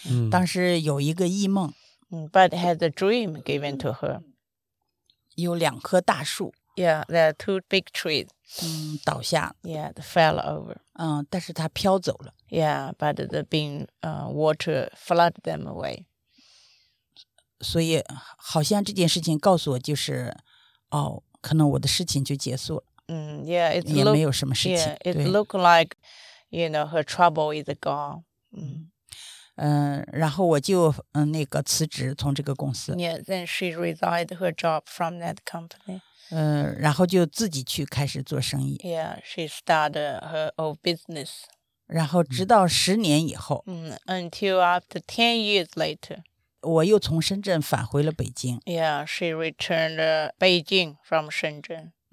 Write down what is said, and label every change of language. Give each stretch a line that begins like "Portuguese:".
Chinese: 当时有一个异梦。
English: But had a dream given to her.
Chinese: 有两棵大树。
English: Yeah, there are two big trees.
Chinese: 倒下。
English: Yeah, they fell over.
Chinese: 但是它飘走了。
English: Yeah, but the being water flooded them away.
Chinese: 所以好像这件事情告诉我就是，哦，可能我的事情就结束了。也没有什么事情。
English: Yeah, it looked like, you know, her trouble is gone.
Chinese: 然后我就辞职从这个公司。
English: Yeah, then she resigned her job from that company.
Chinese: 然后就自己去开始做生意。
English: Yeah, she started her own business.
Chinese: 然后直到十年以后。
English: Until after 10 years later.
Chinese: 我又从深圳返回了北京。
English: Yeah, she returned to Beijing from Shenzhen.